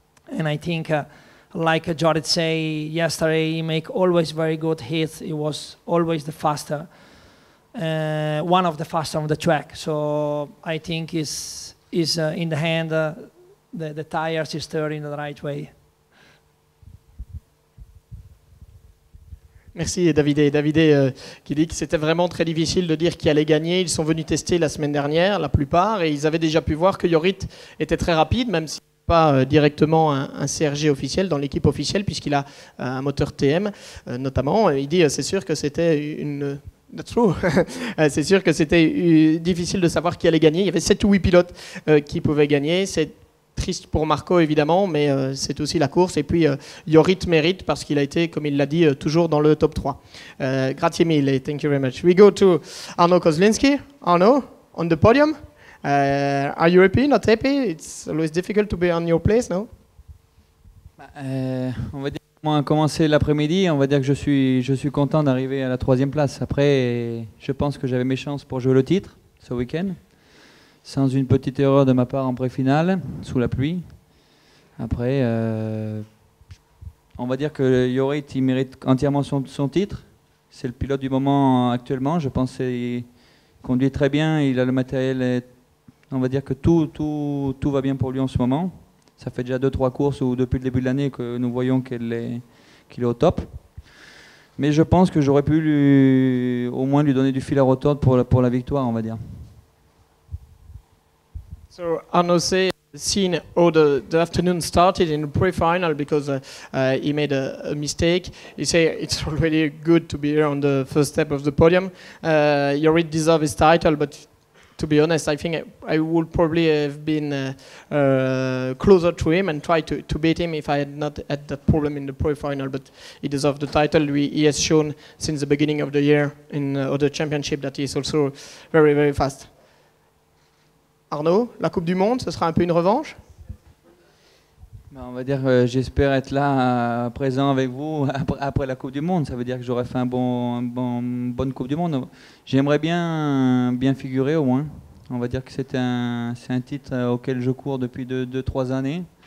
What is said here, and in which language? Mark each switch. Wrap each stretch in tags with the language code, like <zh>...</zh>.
<en>And I think like Jorrit say yesterday, he make always very good hits. He was always the faster, one of the faster on the track. So I think is in the hand, the tires is turning the right way.</en> <fr>Merci Davide. Davide qui dit que c'était vraiment très difficile de dire qui allait gagner. Ils sont venus tester la semaine dernière, la plupart, et ils avaient déjà pu voir que Jorrit était très rapide, même si pas directement un CRG officiel dans l'équipe officielle puisqu'il a un moteur TM notamment. Il dit c'est sûr que c'était une...</fr> <en>That's true.</en> <fr>C'est sûr que c'était difficile de savoir qui allait gagner. Il y avait 7 ou 8 pilotes qui pouvaient gagner. C'est triste pour Marco, évidemment, mais c'est aussi la course. Et puis, Jorrit mérite parce qu'il a été, comme il l'a dit, toujours dans le top 3.</fr> <it>Grazie mille.</it> <en>Thank you very much. We go to Arnaud Kozlinski. Arnaud, on the podium. Are you happy, not happy? It's always difficult to be on your place, no?</en> <fr>On va dire... Moi, commencer l'après-midi, on va dire que je suis content d'arriver à la troisième place. Après, je pense que j'avais mes chances pour jouer le titre ce week-end, sans une petite erreur de ma part en pré-finale, sous la pluie. Après, on va dire que Jorrit, il mérite entièrement son titre. C'est le pilote du moment actuellement. Je pense qu'il conduit très bien, il a le matériel. On va dire que tout va bien pour lui en ce moment. Ça fait déjà 2-3 courses ou depuis le début de l'année que nous voyons qu'il est au top. Mais je pense que j'aurais pu au moins lui donner du fil à retordre pour la victoire, on va dire.</fr> <en>So Arnaud said, seen how the afternoon started in the pre-final because he made a mistake. He said it's already good to be here on the first step of the podium. You already deserve his title, but to be honest, I think I would probably have been closer to him and try to beat him if I had not had that problem in the pre-final. But he deserves the title. He has shown since the beginning of the year in other championship that he is also very, very fast.</en> <fr>Arnaud, la Coupe du Monde, ce sera un peu une revanche? Ben, on va dire que j'espère être là, présent avec vous après la Coupe du Monde. Ça veut dire que j'aurais fait une bonne Coupe du Monde. J'aimerais bien figurer au moins. On va dire que c'est un titre auquel je cours depuis 2-3 années.</fr>